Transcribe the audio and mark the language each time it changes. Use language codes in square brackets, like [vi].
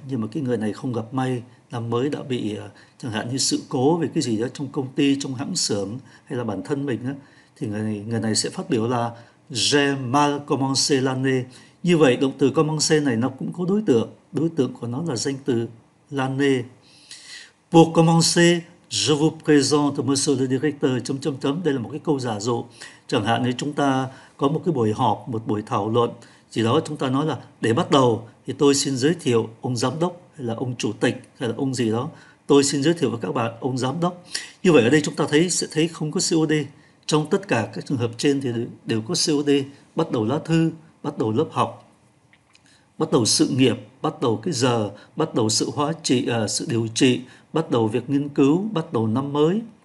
[vi] Nhưng mà cái người này không gặp may. Năm mới đã bị chẳng hạn như sự cố về cái gì đó trong công ty, trong hãng xưởng hay là bản thân mình đó, thì người này sẽ phát biểu là [fr] j'ai mal commencé l'année. [vi] Như vậy động từ commencé này nó cũng có đối tượng của nó là danh từ l'année. [fr] Pour commencer, je vous présente monsieur le directeur [vi] chấm chấm chấm. Đây là một cái câu giả dụ. Chẳng hạn như chúng ta có một cái buổi họp, một buổi thảo luận gì đó, chúng ta nói là để bắt đầu thì tôi xin giới thiệu ông giám đốc hay là ông chủ tịch hay là ông gì đó. Tôi xin giới thiệu với các bạn ông giám đốc. Như vậy ở đây chúng ta sẽ thấy không có COD. Trong tất cả các trường hợp trên thì đều có COD. Bắt đầu lá thư, bắt đầu lớp học, bắt đầu sự nghiệp, bắt đầu cái giờ, bắt đầu sự hóa trị, sự điều trị, bắt đầu việc nghiên cứu, bắt đầu năm mới.